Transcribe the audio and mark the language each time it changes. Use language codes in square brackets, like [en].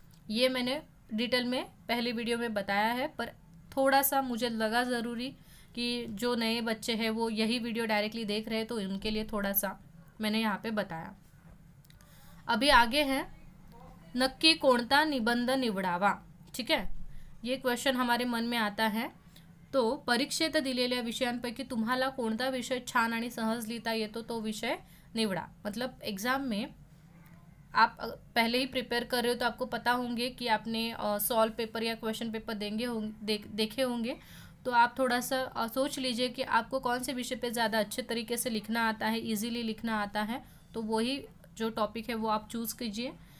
[hi] ये मैंने डिटेल में पहले वीडियो में बताया है, पर थोड़ा सा मुझे लगा ज़रूरी कि जो नए बच्चे हैं वो यही वीडियो डायरेक्टली देख रहे हैं, तो उनके लिए थोड़ा सा मैंने यहाँ पे बताया। अभी आगे है, [mr] नक्की कोणता निबंध निवडावा, [hi] ठीक है, ये क्वेश्चन हमारे मन में आता है। [mr] तो परीक्षेत दिलेल्या विषयांपैकी तुम्हाला कोणता विषय छान आणि सहज लिहिता येतो तो विषय निवडा। [hi] मतलब एग्जाम में आप पहले ही प्रिपेयर कर रहे हो, तो आपको पता होंगे कि आपने सॉल्व पेपर या क्वेश्चन पेपर देंगे होंगे देखे होंगे, तो आप थोड़ा सा सोच लीजिए कि आपको कौन से विषय पे ज़्यादा अच्छे तरीके से लिखना आता है, इजीली लिखना आता है, तो वही जो टॉपिक है वो आप चूज कीजिए।